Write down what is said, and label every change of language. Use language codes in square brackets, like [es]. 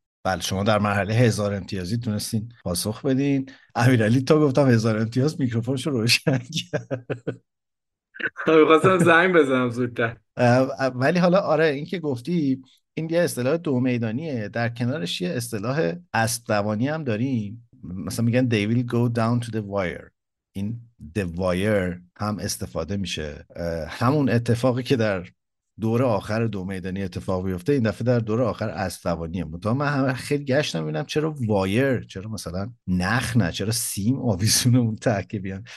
[fa] بله شما در مرحله 1000 امتیازی تونستین پاسخ بدین. امیرعلی تو گفتم 1000 امتیاز میکروفونش رو روشن کرد. می‌خواستم زنگ بزنم زودتر. ولی حالا آره، این که گفتی این یه اصطلاح دو میدانیه، در کنارش یه اصطلاح اسب دوانی هم داریم. مثلا میگن [en] they will go down to the wire. [fa] این the wire هم استفاده میشه. همون اتفاقی که در دور آخر دو میدانی اتفاق بیفته، این دفعه در دور آخر اسبدوانیه. مطمئنم من همه خیلی گشتم ببینم چرا وایر، چرا مثلا نخ، نه چرا سیم آویزون اون ته که بیان.